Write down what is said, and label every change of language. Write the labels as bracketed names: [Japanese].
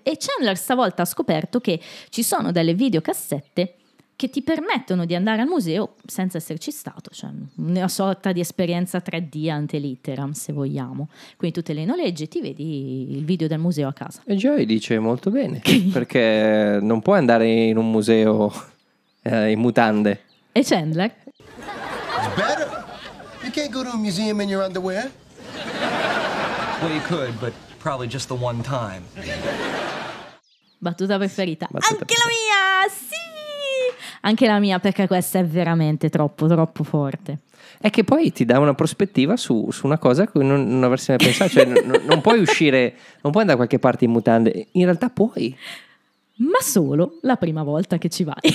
[Italian] E Chandler stavolta ha scoperto che ci sono delle videocassette che ti permettono di andare al museo senza esserci stato, cioè una sorta di esperienza 3D ante litteram, se vogliamo. Quindi tu te le noleggi e ti vedi il video del museo a casa. E Joey dice molto bene, perché non puoi andare in un museo in mutande. E Chandler? [English] It's better. You can't go to a museum in your underwear. Well, you could, but probably just the one time. [Italian] Battuta preferita. Battuta preferita. La mia, sì! Anche la mia, perché questa è veramente troppo, troppo forte. È che poi ti dà una prospettiva su, su una cosa a cui non avresti mai pensato. Cioè, non puoi uscire, non puoi andare a qualche parte in mutande. In realtà puoi. Ma solo la prima volta che ci vai.